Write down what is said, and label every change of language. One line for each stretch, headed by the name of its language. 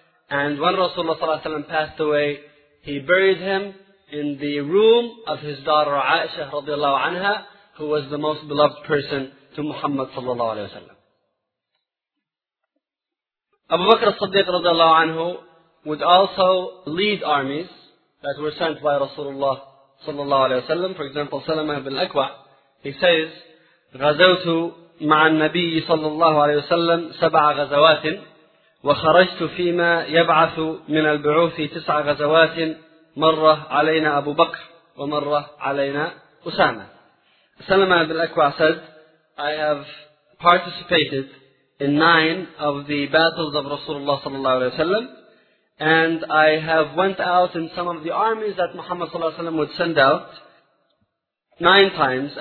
English: And when Rasulullah صلى الله عليه وسلم passed away, he buried him in the room of his daughter Aisha رضي الله عنها, who was the most beloved person to Muhammad صلى الله عليه وسلم. Abu Bakr as-Siddiq رضي الله عنه would also lead armies that were sent by Rasulullah صلى الله عليه وسلم. For example, Salama ibn al-Akwa, he says,
Arabic: غزوت مع النبي صلى الله عليه وسلم سبع غزوات وخرجت فيما يبعث من البعوث تسع غزوات مرة علينا أبو بكر ومرة علينا أسامة.
English: سلمة بن الأكوع said, I have participated in 9 of the battles of Rasulullah صلى الله عليه وسلم, and I have went out in some of the armies that Muhammad صلى الله عليه وسلم would send out 9 times.